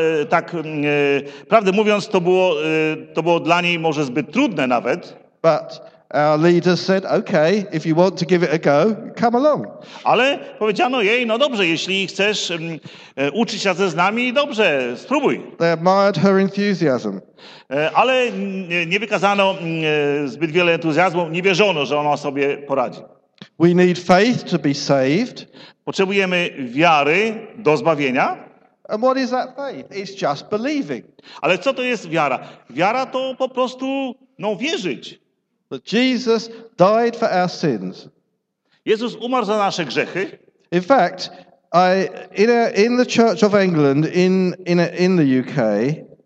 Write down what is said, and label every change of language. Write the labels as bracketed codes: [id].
[pl] Tak, prawdę mówiąc, to było dla niej może zbyt trudne nawet. [en] But our leader said, okay, if you want to give it a go, come along. [pl] Ale powiedziano jej, no dobrze, jeśli chcesz uczyć się z nami, dobrze, spróbuj. [en] They admired her enthusiasm. [pl] Ale nie wykazano zbyt wiele entuzjazmu, nie wierzono, że ona sobie poradzi. [en] We need faith to be saved. [pl] Potrzebujemy wiary do zbawienia. [en] And what is that faith? It's just believing. [pl] Ale co to jest wiara? Wiara to po prostu, no, wierzyć. [en] But Jesus died for our sins. [pl] Jezus umarł za nasze grzechy. [en] In fact, in the Church of England in the UK.